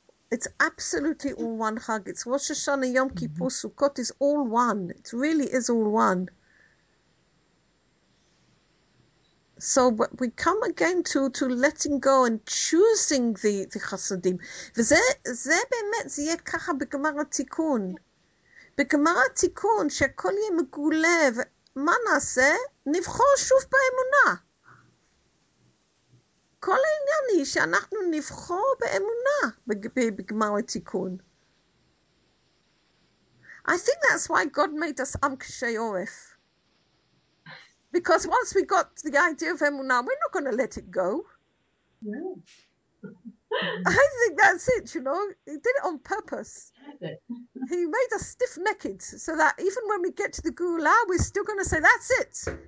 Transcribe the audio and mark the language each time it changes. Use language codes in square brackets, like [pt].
[en] It's absolutely all one hug. It's Rosh Hashanah, Yom Kippur, Sukkot is all one. It really is all one. So but we come again to letting go and choosing the chassadim. [he] וזה באמת, זה יהיה ככה בגמר התיקון. בגמר התיקון, שהכל יהיה מגולה, ומה נעשה? נבחור שוב באמונה. כל העניין היא שאנחנו נבחור באמונה בגמר התיקון. [en] I think that's why God made us [he] עם קשי עורף. [en] Because once we got the idea of Emunah, we're not going to let it go. Yeah. I think that's it, you know. He did it on purpose. He made us stiff-necked so that even when we get to the Gula, we're still going to say, that's it.